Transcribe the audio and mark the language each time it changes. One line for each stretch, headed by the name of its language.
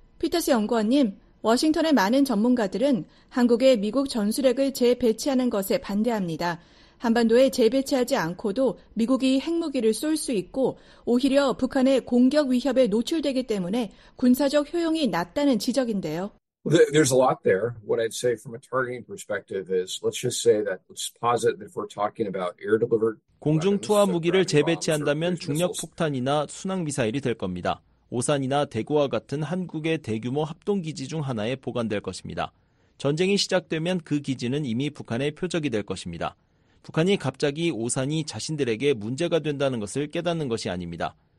Korean: 피터스 연구원님, 워싱턴의 많은 전문가들은 한국의 미국 전술핵을 재배치하는 것에 반대합니다. 한반도에 재배치하지 않고도 미국이 핵무기를 쏠 수 있고 오히려 북한의 공격 위협에 노출되기 때문에 군사적 효용이 낮다는 지적인데요.
English: There's a lot there. What I'd say from a targeting perspective is, let's posit that if we're talking about air-delivered
Korean: 공중투하 무기를 재배치한다면 중력폭탄이나 순항미사일이 될 겁니다. 오산이나 대구와 같은 한국의 대규모 합동기지 중 하나에 보관될 것입니다. 전쟁이 시작되면 그 기지는 이미 북한의 표적이 될 것입니다. 북한이 갑자기 오산이 자신들에게 문제가 된다는 것을 깨닫는 것이 아닙니다.